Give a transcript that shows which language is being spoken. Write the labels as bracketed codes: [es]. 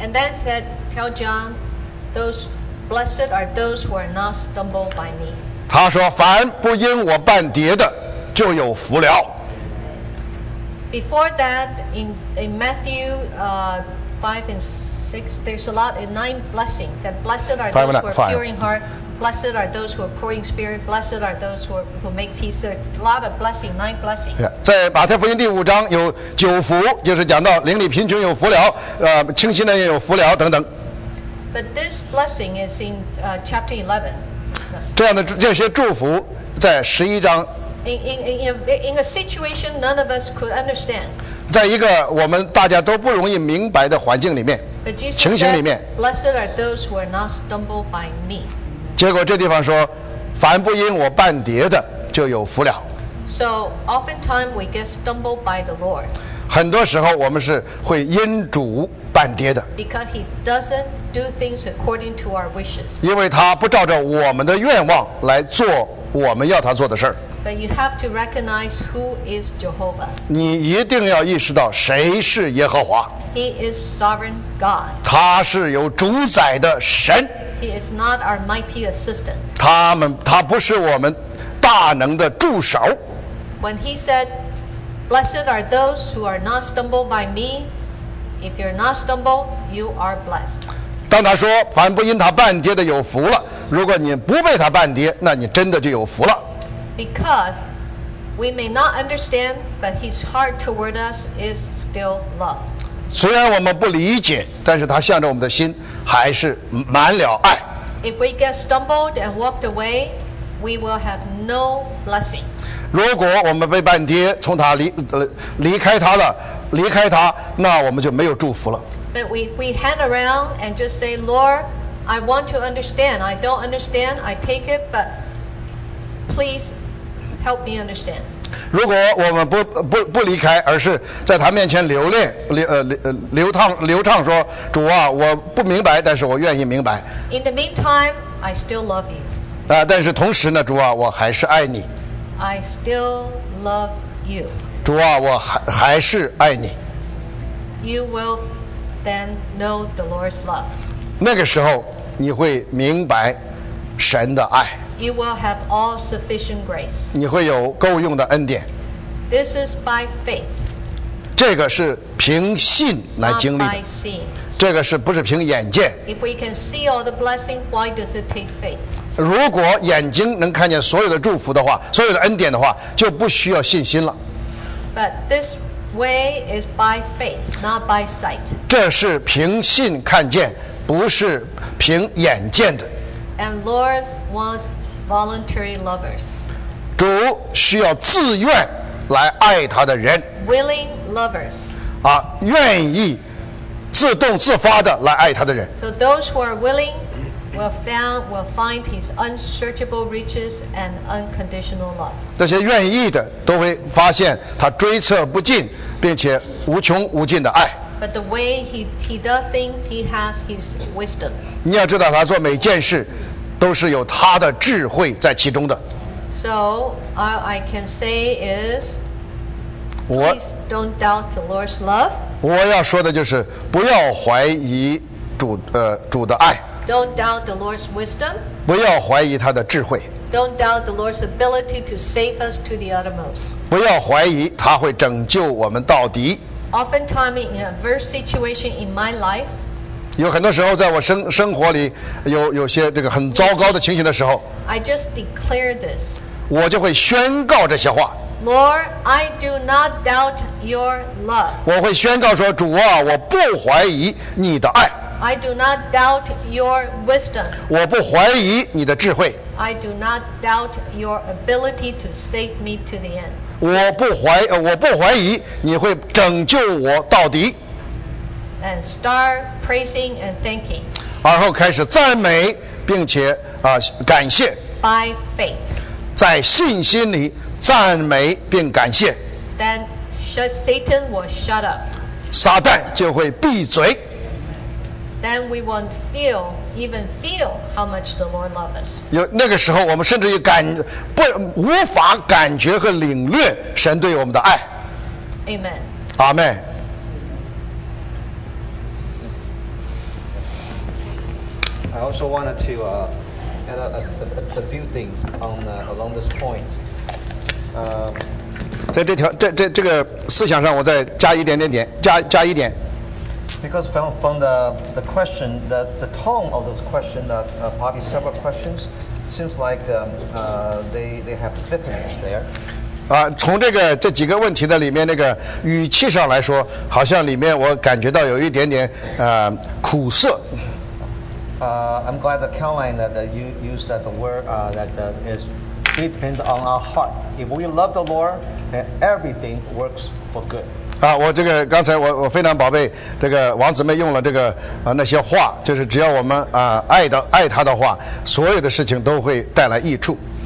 [en] And then said, "Tell John, those blessed are those who are not stumbled by me." [zh] 他说：“凡不因我绊跌的，就有福了。” [en] Before that, in Matthew 5 and 6, there's a lot in 9 blessings. That blessed are those who are pure in heart. Blessed are those who are poor in spirit. Blessed are those who make peace. There's a lot of blessing, 9 blessings. Yeah. [zh] 在马太福音第五章有九福，就是讲到邻里贫穷有福了，清心的也有福了等等。 [en] But this blessing is in chapter 11. [zh] 这些祝福在十一章。 [en] In a situation none of us could understand. [zh] 在一个我们大家都不容易明白的环境里面，情形里面。 [en] Blessed are those who are not stumbled by me. [zh] 结果这地方说，凡不因我绊跌的，就有福了。 [en] So oftentimes we get stumbled by the Lord. [zh] 很多时候我们是会因主绊跌的。 [en] Because he doesn't do things according to our wishes. [zh] 因为他不照着我们的愿望来做我们要他做的事儿。 [en] But you have to recognize who is Jehovah. [zh] 你一定要意识到谁是耶和华。 [en] He is sovereign God. [zh] 他是有主宰的神。 [en] He is not our mighty assistant. [zh] 他不是我们大能的助手。 [en] When he said, "Blessed are those who are not stumbled by me. If you're not stumbled, you are blessed." [zh] 当他说凡不因他绊跌的有福了，如果你不被他绊跌，那你真的就有福了。 [en] Because we may not understand, but his heart toward us is still love. [zh] 虽然我们不理解，但是他向着我们的心还是满了爱。 [en] If we get stumbled and walked away, we will have no blessing. [zh] 如果我们被绊跌，从他 离开他，那我们就没有祝福了。 [en] But we hang around and just say, Lord, I want to understand. I don't understand. I take it, but please help me understand. [zh] 如果我们 不离开，而是在他面前流泪 流畅说，主啊，我不明白，但是我愿意明白。 [en] In the meantime, I still love you. [zh] 但是同时呢，主啊，我还是爱你。 [en] I still love you. [zh] 主啊，我 还是爱你。 [en] You will then know the Lord's love. [zh] 那个时候你会明白神的爱。 [en] You will have all sufficient grace. [zh] 你会有够用的恩典。 [en] This is by faith. [zh] 这个是凭信来经历的。 [en] Not by seeing. [zh] 这个是不是凭眼见。 [en] If we can see all the blessing, why does it take faith? [zh] 如果眼睛能看见所有的祝福的话，所有的恩典的话，就不需要信心了。 [en] But this way is by faith, not by sight. [zh] 这是凭信看见，不是凭眼见的。 [en] And Lord wants voluntary lovers. [zh] 主需要自愿来爱他的人。 [en] Willing lovers. [zh] 愿意自动自发的来爱他的人。 [en] So those who are willing. Will find his unsearchable riches and unconditional love. [zh] 这些愿意的都会发现他追测不尽，并且无穷无尽的爱。 [en] But the way he does things, he has his wisdom. [zh] 你要知道，他做每件事都是有他的智慧在其中的。 [en] So all I can say is, please don't doubt the Lord's love. [zh] 我要说的就是，不要怀疑主的爱。 [en] Don't doubt the Lord's wisdom. [zh] 不要怀疑他的智慧。 [en] Don't doubt the Lord's ability to save us to the uttermost. [zh] 不要怀疑他会拯救我们到底。 [en] Oftentimes in a adverse situation in my life, [zh] 有很多时候在我生活里有些这个很糟糕的情形的时候， [en] I just declare this. [zh] 我就会宣告这些话。 [en] Lord, I do not doubt your love. [zh] 我会宣告说，主啊，我不怀疑你的爱。 [en] I do not doubt your wisdom. [zh] 我不怀疑你的智慧。 [en] I do not doubt your ability to save me to the end. [zh] 我不怀疑你会拯救我到底。 [en] And start praising and thanking. [zh] 而后开始赞美并且感谢。 [en] By faith. [zh] 在信心里赞美并感谢。 [en] Then Satan will shut up. [zh] 撒旦就会闭嘴。 [en] Then we won't even feel how much the Lord loves us. [zh] 有那个时候，我们甚至于无法感觉和领略神对我们的爱。 [en] Amen. Amen. I also wanted to add a few things along this point. [zh] 在这条这个思想上，我再加一点点点，加一点。 [en] Because from the question, the tone of those questions, probably several questions, seems like they have bitterness there. [zh] 从这几个问题的里面那个语气上来说，好像里面我感觉到有一点点苦涩。 [en] I'm glad that Caroline that you used that the word is it depends on our heart. If we love the Lord, then everything works for good. [zh] 我这个刚才我非常宝贝这个王姊妹用了这个那些话，就是只要我们爱他的话，所有的事情都会带来益处。